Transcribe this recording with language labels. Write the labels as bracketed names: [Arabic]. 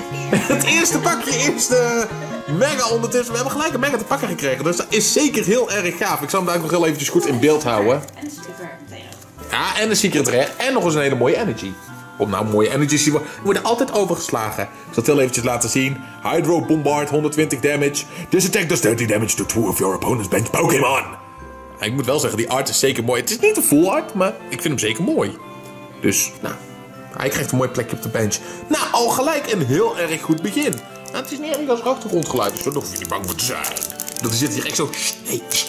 [Dutch] Het eerste pakje is de Mega ondertussen. We hebben gelijk een Mega te pakken gekregen, dus dat is zeker heel erg gaaf. Ik zal hem daar ook nog heel eventjes goed in beeld houden. Ja, en een secret rare. En nog eens een hele mooie energy. Om nou mooie energies te worden altijd overgeslagen. Ik zal het heel eventjes laten zien. [English] Hydro Bombard, 120 damage. This attack does 30 damage to 2 of your opponent's bench Pokémon. [Dutch] Ik moet wel zeggen, die art is zeker mooi. Het is niet de full art, maar ik vind hem zeker mooi. Dus, nou, hij krijgt een mooi plekje op de bench. Nou, al gelijk een heel erg goed begin. Nou, het is niet erg als achtergrondgeluid, dus daar hoef je niet bang voor te zijn. Dat hij zit hier echt zo... Hey,